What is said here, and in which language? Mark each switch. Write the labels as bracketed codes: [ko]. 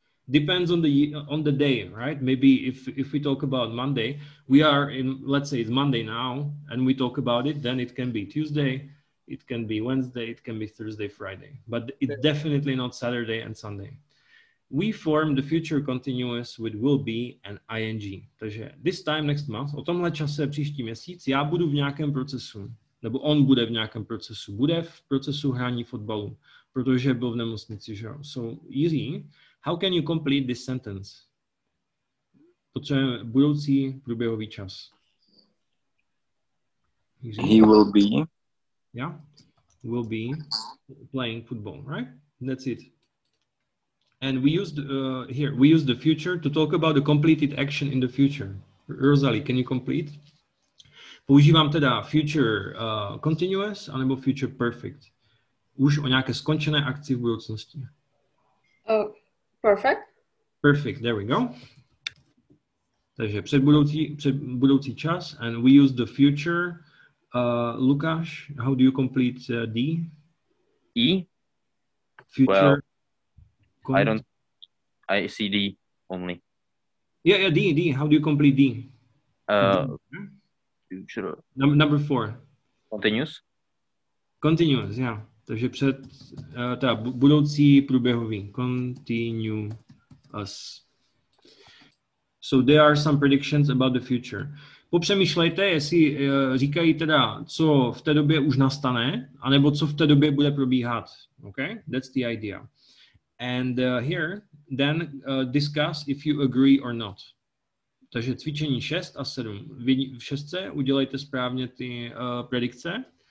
[en] Depends on the day, right? Maybe if we talk about Monday, we are in, let's say it's Monday now, and we talk about it, then it can be Tuesday, it can be Wednesday, it can be Thursday, Friday. But it's definitely not Saturday and Sunday. We form the future continuous with will be and ing. [cs] Takže [en] this time next month, [cs] o tomhle čase příští měsíc, já budu v nějakém procesu, nebo on bude v nějakém procesu, bude v procesu hrání fotbalu, protože byl v nemocnici, že jo? [en] So, Jiří, how can you complete this sentence? [cs] Potřebujeme budoucí průběhový čas. [en] Jiří. He will be. Yeah, will be playing football, right? That's it. And we used here, we use the future to talk about the completed action in the future. Rosalie, can you complete? [cs] Používám teda future continuous anebo future perfect. Už o nějaké skončené akci v budoucnosti. [en] Perfect. Perfect, there we go. [cs] Takže předbudoucí čas and we use the future. [en] Lukáš, how do you complete D? E? Future. Well. I see D only. Yeah, D. How do you complete D? Number four. Continuous, yeah. [cs] Takže před, teda budoucí průběhový. [en] Continuous. So there are some predictions about the future. [cs] Popřemýšlejte, jestli říkají teda, co v té době už nastane, anebo co v té době bude probíhat. [en] Okay, that's the idea. And here, then discuss if you agree or not. [cs] Takže cvičení 6 a 7. V 6 udělejte správně ty predikce.